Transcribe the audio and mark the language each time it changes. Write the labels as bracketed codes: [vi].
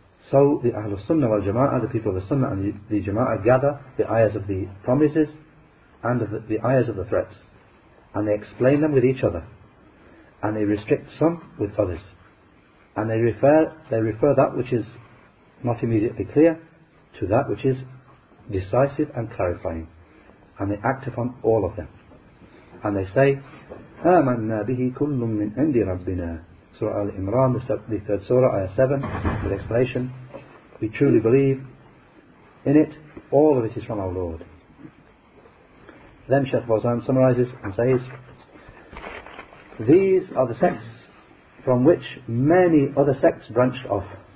[en] So the Ahlul Sunnah wal Jama'ah, the people of the Sunnah and the Jama'ah, gather the ayahs of the promises and of the ayahs of the threats, and they explain them with each other, and they restrict some with others, and they refer that which is not immediately clear to that which is decisive and clarifying, and they act upon all of them. And they say, [ar] آمنا به كل من عند ربنا. [en] Surah Al-Imran, the third surah, ayah 7, with explanation. We truly believe in it, all of it is from our Lord. Then Sheikh Bazan summarizes and says, these are the sects from which many other sects branched off.